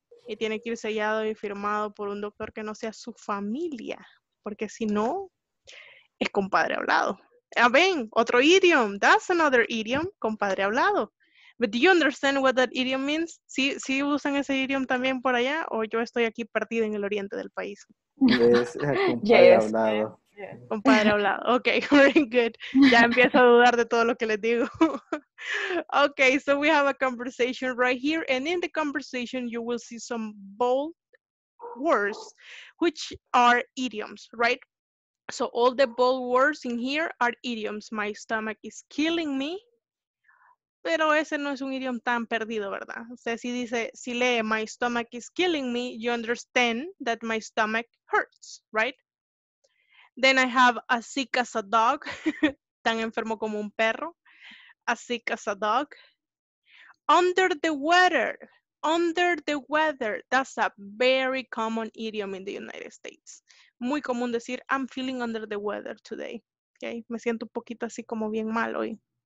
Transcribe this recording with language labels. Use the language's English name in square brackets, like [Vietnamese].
[Spanish] Y tiene que ir sellado y firmado por un doctor que no sea su familia, porque si no, es compadre hablado. Ah, ven, otro idiom. [English] That's another idiom, compadre hablado. But do you understand what that idiom means? [Spanish] ¿Sí usan ese idiom también por allá? ¿O yo estoy aquí partida en el oriente del país? [English] Yes, compadre hablado. Yes. Compadre hablado. Okay, very good. [Spanish] Ya empiezo a dudar de todo lo que les digo. [English] Okay, so we have a conversation right here. And in the conversation, you will see some bold words, which are idioms, right? So all the bold words in here are idioms. My stomach is killing me. [Spanish] Pero ese no es un idioma tan perdido, ¿verdad? O sea, si dice, si lee, [English] my stomach is killing me, you understand that my stomach hurts, right? Then I have as sick as a dog. [Spanish] Tan enfermo como un perro. [English] As sick as a dog. Under the weather. Under the weather. That's a very common idiom in the United States. [Spanish] Muy común decir, [English] I'm feeling under the weather today. Okay? [Spanish] Me siento un poquito así como bien mal hoy.